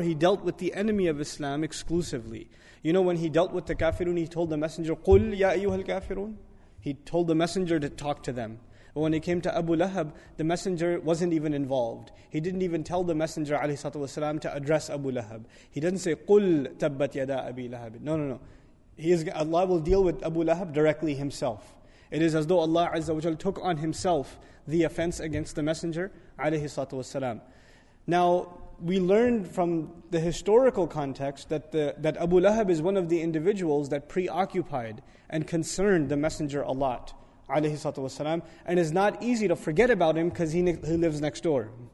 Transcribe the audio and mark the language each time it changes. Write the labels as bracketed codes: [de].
[en] He dealt with the enemy of Islam exclusively. You know, when he dealt with the kafirun, he told the messenger, [ar] قُلْ يَا أَيُّهَا الْكَافِرُونَ. [en] He told the messenger to talk to them. When it came to Abu Lahab, the messenger wasn't even involved. He didn't even tell the messenger والسلام, to address Abu Lahab. He doesn't say, [ar] قُلْ تَبَّتْ يَدَا أَبِي لَهَبٍ. [en] No, no, no. Allah will deal with Abu Lahab directly himself. It is as though Allah Azza wa Jal took on himself the offense against the messenger والسلام. Now, we learned from the historical context that Abu Lahab is one of the individuals that preoccupied and concerned the messenger a lot, alayhi salatu wasalam, and it's not easy to forget about him because he lives next door.